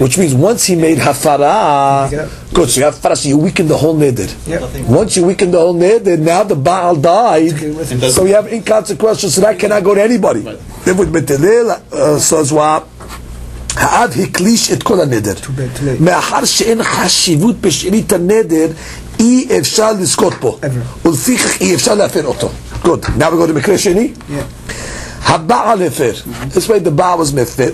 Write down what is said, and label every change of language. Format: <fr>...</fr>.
<en>Which means once he made hafara, good, so you have hafara, so you weaken the whole neder. Yep. Once you weaken the whole neder, now the Baal died, so you have inconsequential, so that cannot go to anybody. Then with betelel, so as well,</en> <he>האב הקליש את כל הנדר. מאחר שאין חשיבות בשארית הנדר, אי אפשר לזכות בו. ולפיכך אי אפשר להפר אותו.</he> <en>Good. Now we go to</en> <he>מקרה שני. הבעל הפר.</he> <en>This way the Baal was מפר.</en>